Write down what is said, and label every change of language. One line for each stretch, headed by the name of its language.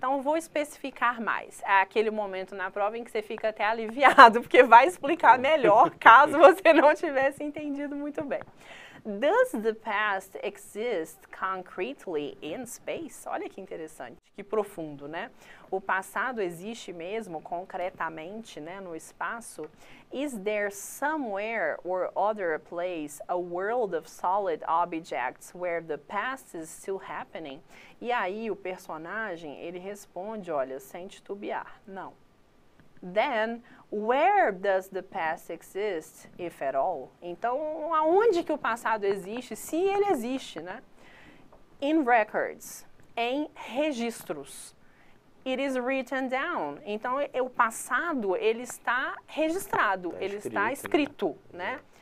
Portuguese: Então, vou especificar mais. É aquele momento na prova em que você fica até aliviado, porque vai explicar melhor, caso você não tivesse entendido muito bem.
English: Does the past exist concretely in space?
Portuguese: Olha que interessante, que profundo, né? O passado existe mesmo concretamente, né, no espaço?
English: Is there somewhere or other place, a world of solid objects where the past is still happening?
Portuguese: E aí o personagem, ele responde, olha, sem titubear, não.
English: Then, where does the past exist, if at all?
Portuguese: Então, aonde que o passado existe, se ele existe, né?
English: In records,
Portuguese: em registros.
English: It is written down.
Portuguese: Então, o passado, ele está registrado, ele está escrito, né?